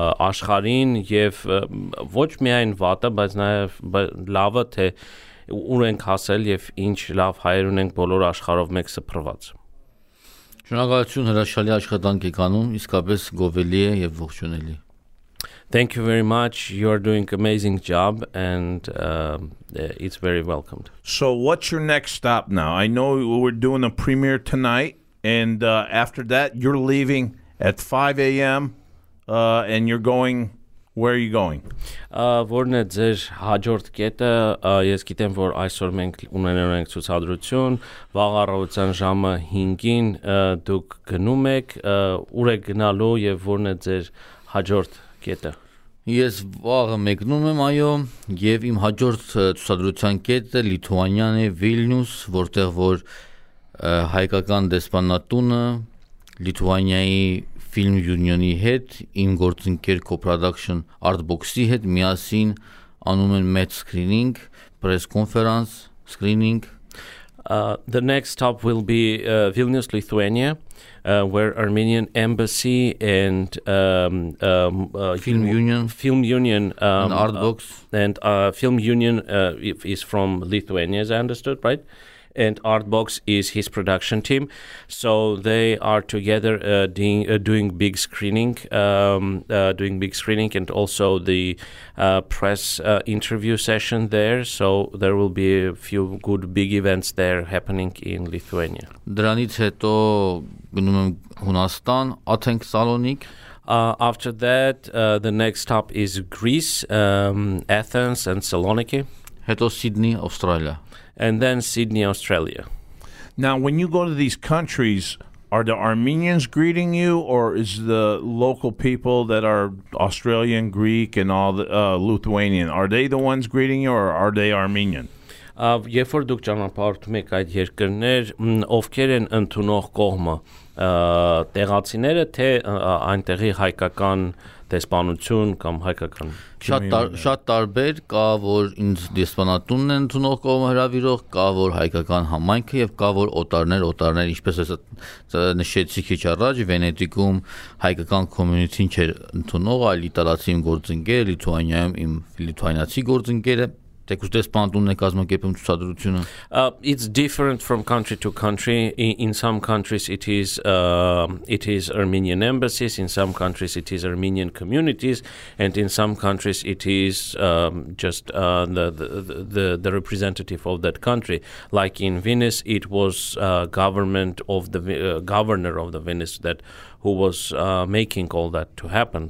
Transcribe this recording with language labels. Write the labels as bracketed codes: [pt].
[hy] աշխարհին եւ ոչ միայն վատը, բայց նաեւ լավը, թե ուր ենք հասել եւ ինչ լավ հայեր ունենք բոլոր աշխարհով մեկ սփռված։ Շնորհակալություն, հրաշալի աշխատանք եք անում, իսկապես գովելի է եւ ողջունելի։ [en] Thank you very much. You are doing an amazing job, and it's very welcomed. So what's your next stop now? I know we're doing a premiere tonight, and after that, you're leaving at 5 a.m., and you're going, where are you going? [hy] Որն է ձեր հաջորդ կետը, ես գիտեմ, որ այսօր մենք ունենում ենք ցուցադրություն, վաղ առավոտյան ժամը 5-ին դուք գնում եք, ուր եք գնալու, և որն է ձեր հաջորդ կետը? Ես վաղը մեկնում եմ, այո, եւ իմ հաջորդ ցուցադրության կետը Լիթուանիան է, Վիլնյուս, որտեղ որ հայկական դեսպանատունը Լիթուանիայի Film Union-ի հետ, իմ գործընկեր Co-production Artbox-ի հետ միասին անում են մեծ սքրինինգ, press conference, սքրինինգ. [en] The next stop will be Vilnius, Lithuania, where Armenian Embassy and Film Union and Artbox and Film Union is from Lithuania, as I understood, right? And Artbox is his production team, so they are together doing big screening and also the press interview session there, so there will be a few good big events there happening in Lithuania. [hy] Դրանից հետո գնում եմ Հունաստան, Աթեն, Սալոնիկ. [en] After that, the next stop is Greece, Athens and Saloniki. [hy] Հետո Սիդնի, Ավստրալիա. [en] And then Sydney, Australia. Now, when you go to these countries, are the Armenians greeting you, or is the local people that are Australian, Greek, and all the Lithuanian, are they the ones greeting you, or are they Armenian? [hy] Երբ որ դուք ճանապարհում եք այդ երկրներ, ովքեր են ընդունող կողմը, տեղացիները, թե այնտեղի հայկական դեսպանություն կամ հայկական շատ տարբեր կա, որ ինձ դեսպանատունն են ընդունող կողմը հրավիրող, կա որ հայկական համայնքը, եւ կա որ օտարներ, ինչպես ես նշեցի քիչ առաջ, Վենետիկում հայկական community-ին չէր ընդունող, այլ իտալացի գործընկեր, Լիթուանիայում իմ լիթուանացի գործընկերը, թեկուզ դեսպանատունն է կազմակերպում ցուցադրությունը. [en] It's different from country to country. In some countries it is Armenian embassies, in some countries it is Armenian communities, and in some countries it is just the representative of that country. Like in Venice, it was government of the governor of the Venice that who was making all that to happen.